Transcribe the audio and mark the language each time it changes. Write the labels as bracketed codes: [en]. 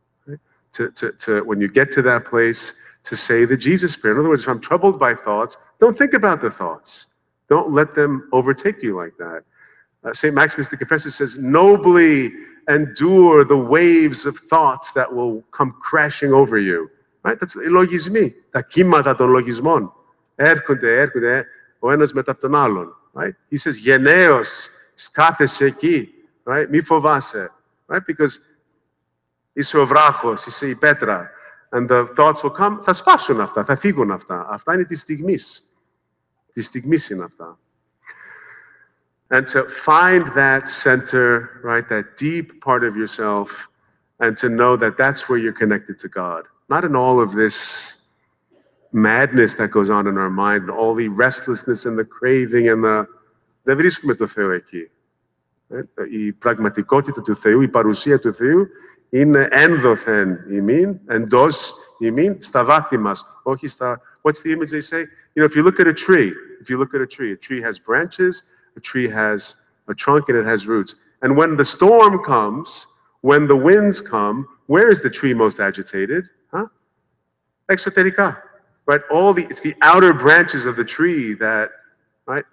[en] When you get to that place, to say the Jesus prayer. In other words, if I'm troubled by thoughts, don't think about the thoughts. Don't let them overtake you like that. St. Maximus the Confessor says, nobly endure the waves of thoughts that will come crashing over you. Right? That's the logismi, [el] τα κύματα των λογισμών. Έρχονται, ο ένας μετά τον άλλον. [en] Right? He says, [el] γενναίος, σκάθεσαι εκεί. [en] Right? [el] Μη φοβάσαι. [en] Right? Because [el] είσαι ο βράχος, είσαι η πέτρα. [en] And the thoughts will come, [el] θα σπάσουν αυτά, θα φύγουν αυτά. Αυτά είναι τη στιγμής. Τη στιγμής είναι αυτά. [en] And to find that center, right, that deep part of yourself, and to know that that's where you're connected to God. Not in all of this madness that goes on in our mind, and all the restlessness and the craving and the... [el] Δεν βρίσκουμε το Θεό εκεί. Η πραγματικότητα του Θεού, η παρουσία του Θεού, είναι ενδοθεν ημίν, εντός ημίν, στα βάθη μας, όχι στα... [en] What's the image they say? You know, if you look at a tree, a tree has branches, a tree has a trunk and it has roots. And when the storm comes, when the winds come, where is the tree most agitated? Huh? Exoterica. Right? It's the outer branches of the tree that, right?